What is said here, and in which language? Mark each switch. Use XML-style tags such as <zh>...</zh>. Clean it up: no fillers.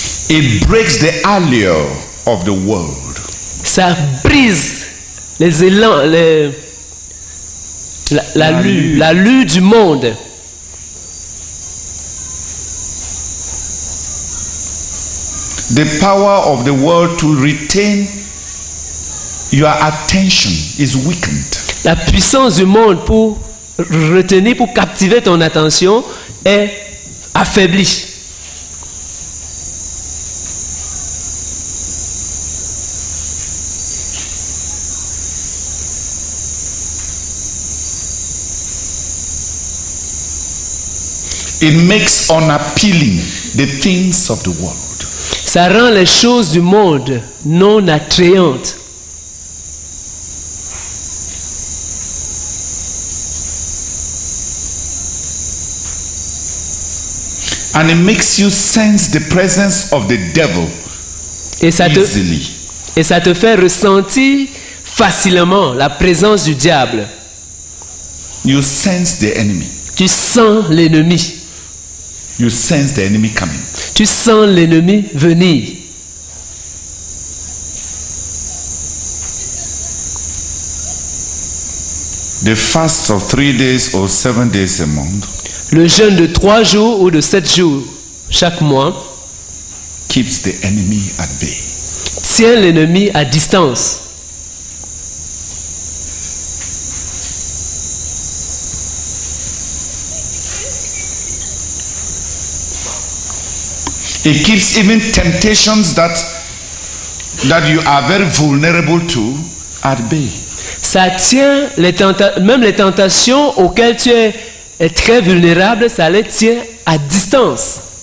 <en>It breaks the allure of the world.</en> <fr>Ça brise les élans, la lue du monde.</fr> <en>The power of the world to retain your attention is weakened.</en> <fr>La puissance du monde pour retenir, pour captiver ton attention est affaiblie.</fr> <en>It makes unappealing the things of the world.</en> <fr>Ça rend les choses du monde non attrayantes.</fr> <en>And it makes you sense the presence of the devil easily.</en> <fr>Et ça te fait ressentir facilement la présence du diable.</fr> <en>You sense the enemy.</en> <fr>Tu sens l'ennemi.</fr> <en>You sense the enemy coming.</en> <fr>Tu sens l'ennemi venir.</fr> <en>The fast of 3 days or 7 days a month.</en> <fr>Le jeûne de 3 jours ou de 7 jours chaque mois</fr> <en>keeps the enemy at bay.</en> <fr>Tient l'ennemi à distance.</fr> <en>It keeps even temptations that you are very vulnerable to at bay.</en> <fr>Ça tient les tentations auxquelles tu es très vulnérable, ça les tient à distance.</fr>